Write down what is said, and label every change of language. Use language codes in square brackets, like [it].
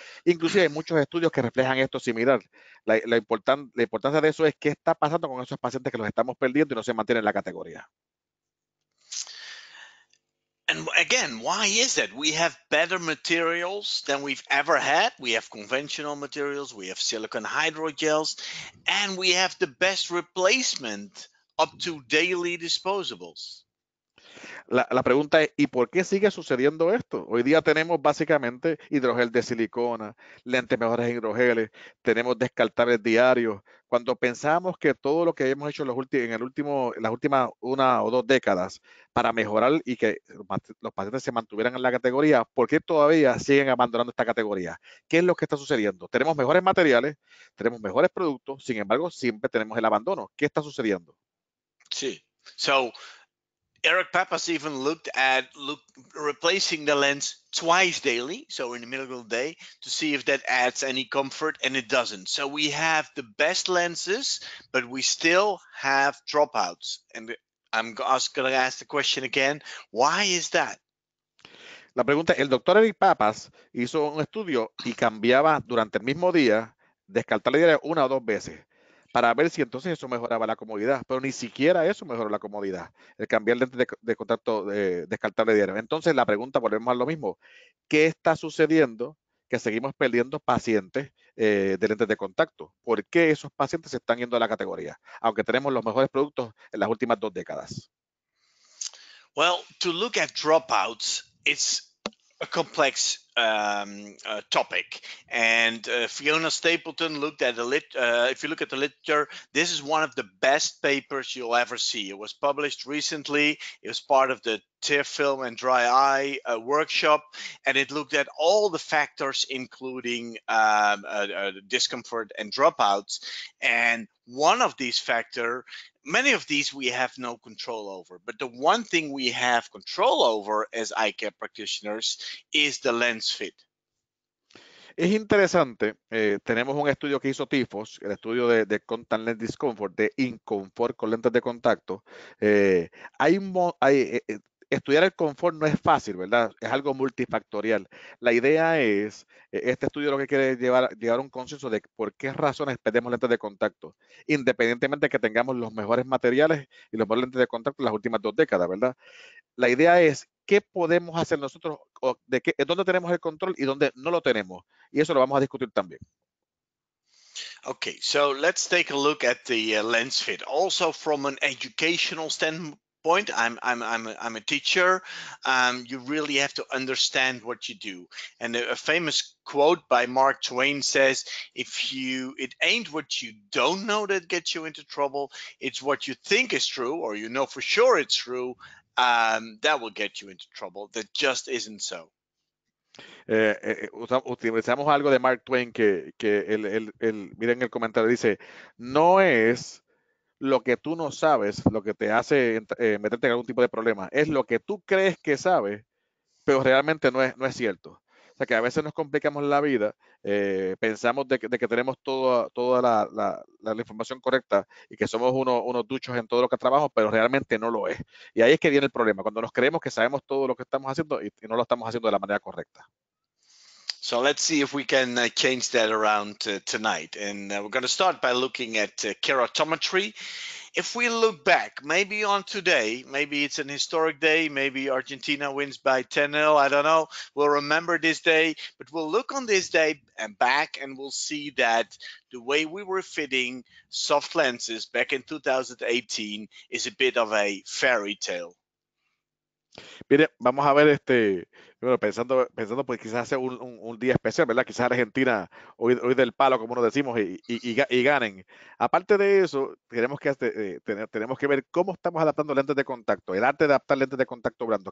[es] Inclusive hay muchos estudios que reflejan esto similar. La importancia de eso es qué está pasando con esos pacientes que los estamos perdiendo y no se mantienen en la categoría. [en] And again, why is that? We have better materials than we've ever had. We have conventional materials, we have silicone hydrogels, and we have the best replacement up to daily disposables. [es] La pregunta es, ¿y por qué sigue sucediendo esto? Hoy día tenemos básicamente hidrogel de silicona, lentes mejores en hidrogeles, tenemos descartables diarios. Cuando pensamos que todo lo que hemos hecho en las últimas una o dos décadas para mejorar y que los pacientes se mantuvieran en la categoría, ¿por qué todavía siguen abandonando esta categoría? ¿Qué es lo que está sucediendo? Tenemos mejores materiales, tenemos mejores productos, sin embargo, siempre tenemos el abandono. ¿Qué está sucediendo? Sí. [en] So, Eric Pappas even looked at replacing the lens twice daily, so in the middle of the day, to see if that adds any comfort, and it doesn't. So we have the best lenses, but we still have dropouts. And I'm going to ask the question again, why is that? [es] La pregunta es, el doctor Eric Pappas hizo un estudio y cambiaba durante el mismo día, descartar la idea una o dos veces para ver si entonces eso mejoraba la comodidad, pero ni siquiera eso mejoró la comodidad, el cambiar lentes de contacto, descartar la idea. Entonces la pregunta, volvemos a lo mismo, ¿qué está sucediendo que seguimos perdiendo pacientes de lentes de contacto? ¿Por qué esos pacientes se están yendo a la categoría, aunque tenemos los mejores productos en las últimas 2 décadas? [en] Well, to look at dropouts, it's a complex topic. And Fiona Stapleton looked at the if you look at the literature, this is one of the best papers you'll ever see. It was published recently. It was part of the tear film and dry eye workshop. And it looked at all the factors, including discomfort and dropouts. And one of these factor, many of these we have no control over, but the one thing we have control over as eye care practitioners is the lens fit. [es] Es interesante, tenemos un estudio que hizo TIFOS, el estudio de Contact Lens Discomfort, de inconfort con lentes de contacto. Estudiar el confort no es fácil, ¿verdad? Es algo multifactorial. La idea es, este estudio lo que quiere es llegar a un consenso de por qué razones perdemos lentes de contacto, independientemente de que tengamos los mejores materiales y los mejores lentes de contacto en las últimas 2 décadas, ¿verdad? La idea es, ¿qué podemos hacer nosotros? O de qué, ¿dónde tenemos el control y dónde no lo tenemos? Y eso lo vamos a discutir también. [en] Okay, so let's take a look at the lens fit. Also from an educational standpoint, I'm a teacher. You really have to understand what you do. And a famous quote by Mark Twain says, it ain't what you don't know that gets you into trouble. It's what you think is true, or you know for sure it's true, that will get you into trouble. That just isn't so. [es] Utilizamos algo de Mark Twain que el miren el comentario dice, no es lo que tú no sabes, lo que te hace meterte en algún tipo de problema, es lo que tú crees que sabes, pero realmente no es cierto. O sea, que a veces nos complicamos la vida, pensamos de que tenemos toda la información correcta y que somos unos duchos en todo lo que trabajamos, pero realmente no lo es. Y ahí es que viene el problema, cuando nos creemos que sabemos todo lo que estamos haciendo y no lo estamos haciendo de la manera correcta. [en] So let's see if we can change that around tonight. And we're going to start by looking at keratometry. If we look back, maybe on today, maybe it's an historic day, maybe Argentina wins by 10-0, I don't know. We'll remember this day, but we'll look on this day and back and we'll see that the way we were fitting soft lenses back in 2018 is a bit of a fairy tale. [es] Mire, vamos a ver bueno, pensando pues quizás sea un día especial, ¿verdad? Quizás Argentina hoy del palo, como nos decimos, y ganen. Aparte de eso, tenemos que ver cómo estamos adaptando lentes de contacto, el arte de adaptar lentes de contacto blando.